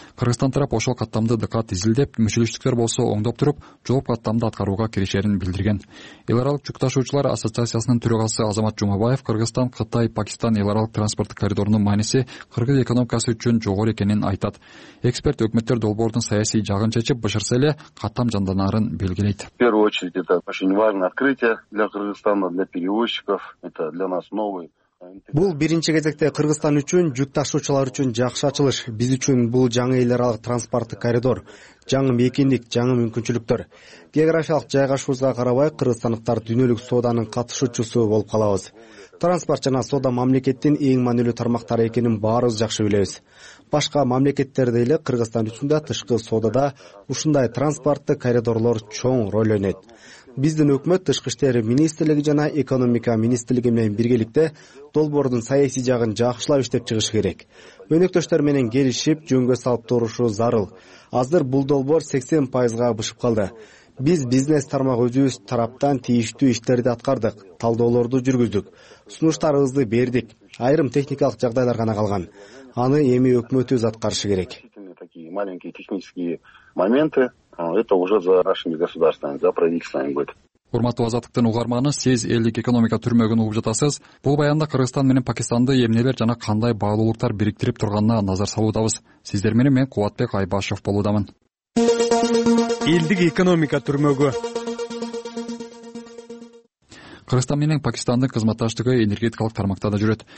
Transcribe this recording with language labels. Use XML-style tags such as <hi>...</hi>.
<ky>Кыргызстан тарап ошол каттамды дыкат изилдеп, мүчөлүштүктөр болсо оңдоп туруп, жооп каттамды аткарууга киришерин билдирген. Эл аралык жүк ташуучулар ассоциациясынын төрагасы Азамат Жумабаев Кыргызстан, Кытай, Пакистан эл аралык транспорттук коридорунун мааниси кыргыз экономикасы үчүн жогору экенин айтат. Эксперт өкмөттөр долбоордун саясий жагын чечип, бышырса эле каттам жанданарын белгилейт.</ky> <ru>В первую очередь это очень важное открытие для Кыргызстана, для перевозчиков. Это для нас новый.</ru> <ky>Бул биринчи кезекте Кыргызстан үчүн, жүк ташуучулар үчүн жакшы ачылыш. Биз үчүн бул жаңы эл аралык транспорттук коридор, жаңы мекендик, жаңы мүмкүнчүлүктөр. Географиялык жайгашуубузга карабай, кыргызстандыктар дүйнөлүк сооданын катышуучусу болуп калабыз. Транспорт жана соода мамлекеттин эң маанилүү тармактары экенин баарыбыз жакшы билебиз. Башка мамлекеттердей эле Кыргызстан үчүн да тышкы соодада ушундай транспорттук коридорлор чоң роль ойнойт. Биздин өкмөт тышкы иштер министрлиги жана экономика министрлиги менен биргеликте долбоордун саясий жагын жакшылап иштеп чыгыш керек. Өнөктөштөр менен келишип, жөнгө салып турушу зарыл. Азыр бул долбоор 80%га бышып калды. Биз бизнес тармак өзүбүз тараптан тийиштүү иштерди аткардык, талдоолорду жүргүздүк, сунуштарыбызды бердик. Айрым техникалык жагдайлар гана калган. Аны эми өкмөтүбүз аткарышы керек.</ky> <ru>Такие маленькие технические моменты. Это уже за нашими государствами, за правительствами будет.</ru> <ky>Урматтуу азаттыктын угарманы, сиз элдик экономика түрмөгүн угуп жатасыз. Бул баянда Кыргызстан менен Пакистанды эмнелер жана кандай баалуулуктар бириктирип турганына назар салуудабыз. Сиздер менен мен Кубатбек Айбашев болуудамын. Элдик экономика түрмөгү. Кыргызстан менен Пакистандын кызматташтыгы энергетикалык тармакта да жүрөт.</ky>